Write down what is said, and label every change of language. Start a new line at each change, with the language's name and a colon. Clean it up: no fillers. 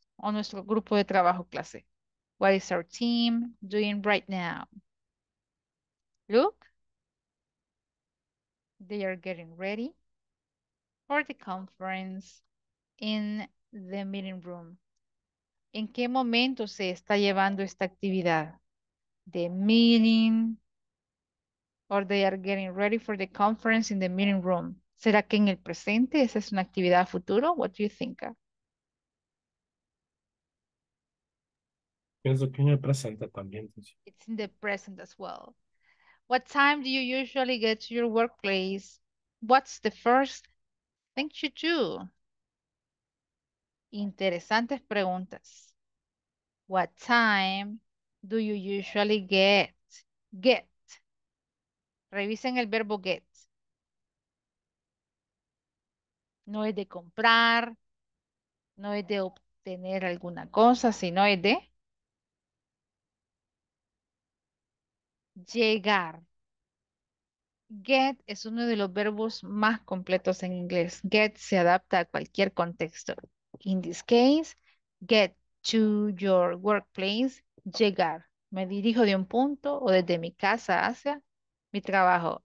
Spanish: O nuestro grupo de trabajo clase.
English: What is our team doing right now? Look. They are getting ready for the conference in the meeting room.
Spanish: ¿En qué momento se está llevando esta actividad?
English: The meeting, or they are getting ready for the conference in the meeting room.
Spanish: ¿Será que en el presente esa es una actividad a futuro?
English: What do you think?
Spanish: Pienso que en el presente también.
English: It's in the present as well. What time do you usually get to your workplace? What's the first thing you do?
Spanish: Interesantes preguntas.
English: What time do you usually get? Get.
Spanish: Revisen el verbo get. No es de comprar. No es de obtener alguna cosa, sino es de llegar. Get es uno de los verbos más completos en inglés. Get se adapta a cualquier contexto.
English: In this case, get to your workplace, llegar.
Spanish: Me dirijo de un punto o desde mi casa hacia mi trabajo.